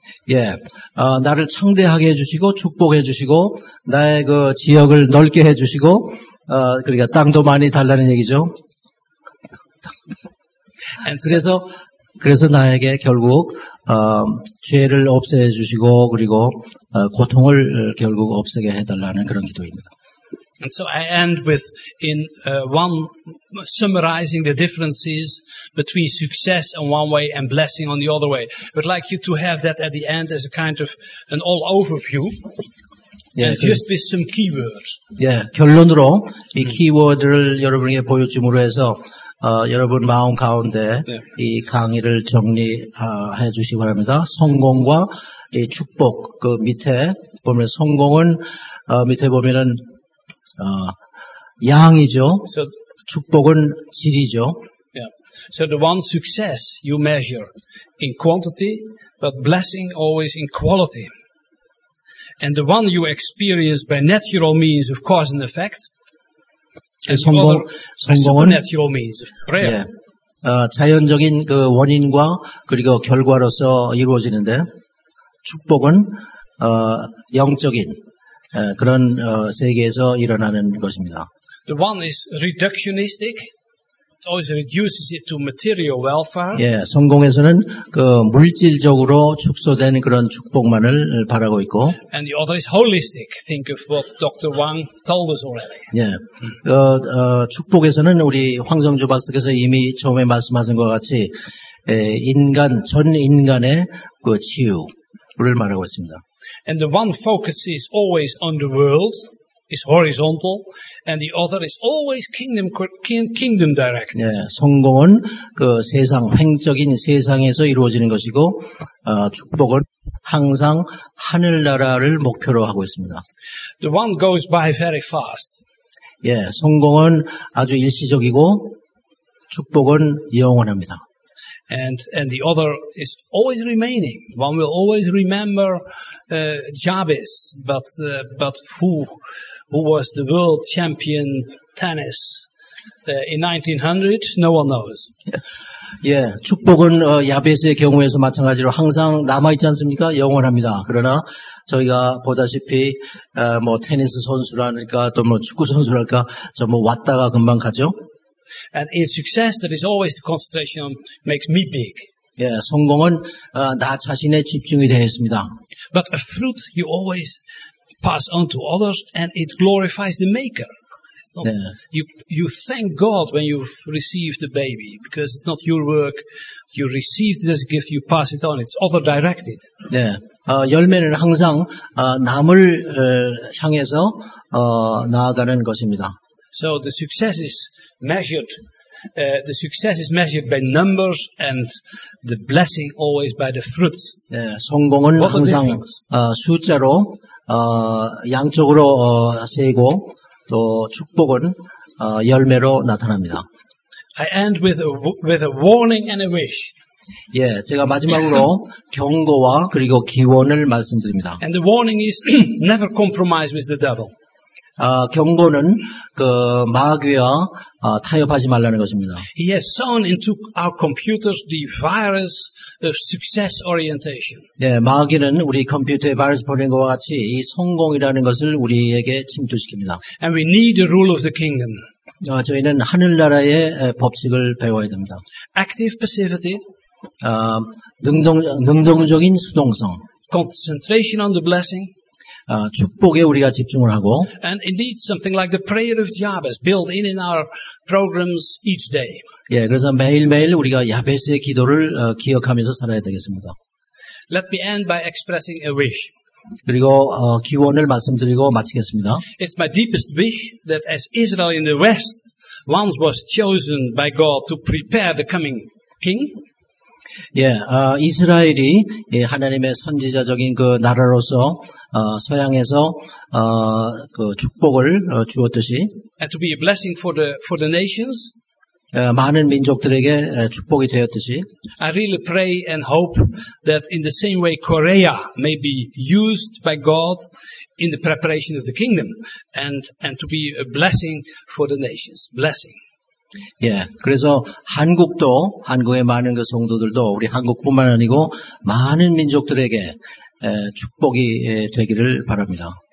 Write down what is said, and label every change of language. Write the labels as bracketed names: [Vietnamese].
[Korean] 예, 나를 창대하게 해주시고 축복해주시고 나의 그 지역을 넓게 해주시고 그러니까 땅도 많이 달라는 얘기죠. 그래서 나에게 결국 죄를 없애 주시고 그리고 고통을 결국 없애게 해 달라는 그런 기도입니다. [English] And so I end with in one summarizing the differences between success on one way and blessing on the other way. I'd like you to have that at the end as a kind of an all overview. Yeah, just with some keywords. [Korean] 예, 결론으로 이 키워드를 여러분에게 보여줌으로 해서 여러분 마음 가운데 네. 이 강의를 정리해 주시기 바랍니다. 성공과 이 축복 그 밑에 보면 성공은 밑에 보면은 양이죠. [English] So, [Korean] 축복은 질이죠. [English] Yeah. So the one success you measure in quantity, but blessing always in quality. And the one you experience by natural means of cause and effect. [Korean] 성공은 [English] supernatural means prayer. [Korean] 예, 자연적인 그 원인과 그리고 결과로서 이루어지는데 축복은 영적인 그런 세계에서 일어나는 것입니다. [English] The one is reductionistic. It always reduces it to material welfare. [Korean] 예, 성공에서는 그 물질적으로 축소된 그런 축복만을 바라고 있고. [English] And the other is holistic. Think of what Dr. Wang told us already. [Korean] 예, 축복에서는 우리 황성주 박사께서 이미 처음에 말씀하신 것 같이 인간 전 인간의 그 치유를 말하고 있습니다. [English] And the one focus is always on the world. Is horizontal, and the other is always kingdom directed. [Korean] 예, 성공은 그 세상 횡적인 세상에서 이루어지는 것이고 축복은 항상 하늘나라를 목표로 하고 있습니다. [English] The one goes by very fast. [Korean] 예, 성공은 아주 일시적이고 축복은 영원합니다. [English] And the other is always remaining. One will always remember Jabez, but who was the world champion tennis in 1900? No one knows. [Korean] 예, 축복은 야베스의 경우에서 마찬가지로 항상 남아 있지 않습니까? 영원합니다. 그러나 저희가 보다시피 뭐 테니스 선수랄까 또 뭐 축구 선수랄까 저 뭐 왔다가 금방 가죠. [English] And in success, there is always the concentration on makes me big. [Korean] 예, 성공은 나 자신에 집중이 되어 있습니다. [English] But a fruit you always pass on to others, and it glorifies the maker. So [Korean] 네. [English] You thank God when you receive the baby because it's not your work. You receive this gift, you pass it on. It's other directed. [Korean] 네, 열매는 항상 남을 향해서 나아가는 것입니다. [English] So the success is measured. The success is measured by numbers, and the blessing always by the fruits. [Korean] 예, 성공은 [English] What [Korean] 항상 숫자로 양쪽으로 세고 또 축복은 열매로 나타납니다. [English] I end with a warning and a wish. [Korean] 예, 제가 마지막으로 경고와 그리고 기원을 말씀드립니다. [English] And the warning is never compromise with the devil. [Korean] 경고는 그 마귀와 타협하지 말라는 것입니다. [English] He has sown into our computers the virus of success orientation. [Korean] 예, 마귀는 우리 컴퓨터에 바이러스 보낸 것과 같이 이 성공이라는 것을 우리에게 침투시킵니다. [English] And we need the rule of the kingdom. [Korean] 저희는 하늘나라의 법칙을 배워야 됩니다. [English] Active passivity. [Korean] 능동적인 수동성. [English] Concentration on the blessing. [Korean] 축복에 우리가 집중을 하고 [English] And indeed something like the prayer of Jabez built in our programs each day. [Korean] 예, 그래서 매일매일 우리가 야베스의 기도를 기억하면서 살아야 되겠습니다. [English] Let me end by expressing a wish. [Korean] 그리고 기원을 말씀드리고 마치겠습니다. [English] It's my deepest wish that as Israel in the West once was chosen by God to prepare the coming king. [Korean] 예, 이스라엘이 예, 하나님의 선지자적인 그 나라로서 서양에서 그 축복을 주었듯이 [English] And to be a blessing for the nations. [Korean] 많은 민족들에게 축복이 되었듯이 [English] I really pray and hope that in the same way Korea may be used by God in the preparation of the kingdom and to be a blessing for the nations. Blessing. [Korean] 예, 그래서 한국도 한국의 많은 그 성도들도 우리 한국뿐만 아니고 많은 민족들에게 축복이 되기를 바랍니다.